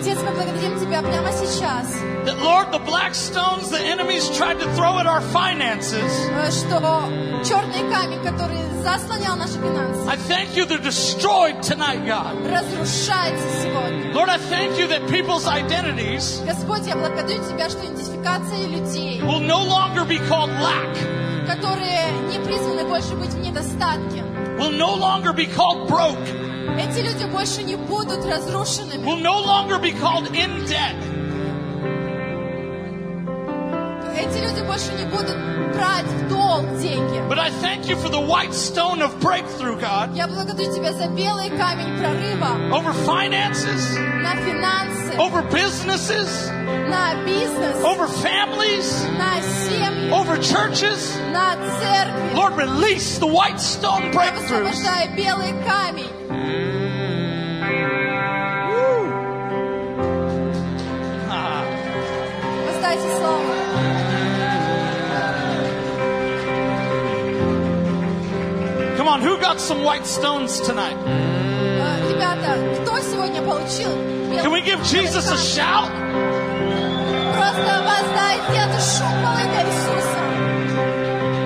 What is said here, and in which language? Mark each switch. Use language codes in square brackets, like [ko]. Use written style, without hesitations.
[ru] Отец, мы благодарим тебя прямо сейчас. [en] That Lord, the black stones the enemies tried to throw at our finances. [ru] Что черный камень, который заслонял наши финансы. [en] I thank you they're destroyed tonight, God. [ru] Разрушается сегодня. [en] Lord, I thank you that people's identities. [ru] Господь, я благодарю тебя, что идентификация людей. [en] Will no longer be called lack. [ru] Которые не призваны больше быть в недостатке. [en] Will no longer be called broke. [ru] Эти люди больше не будут разрушенными. [en] Will no longer be called in debt. [ru] Эти люди больше не будут брать в долг деньги. [en] But I thank you for the white stone of breakthrough, God. [ru] Я благодарю тебя за белый камень прорыва. [en] Over finances. [ru] На финансы. [en] Over businesses. [ru] На бизнес. [en] Over families. [ru] На семьи. [en] Over churches. [ru] На церкви. [en] Lord, release the white stone breakthroughs. [ru] Я высвобождаю белый камень. [en] Woo. [ru] Воздайте славу. [en] Come on, who got some white stones tonight? [ru] Ребята, кто сегодня получил белый камень? [en] Can we give Jesus a shout? [ru] Просто воздайте эту шумовую для Иисуса.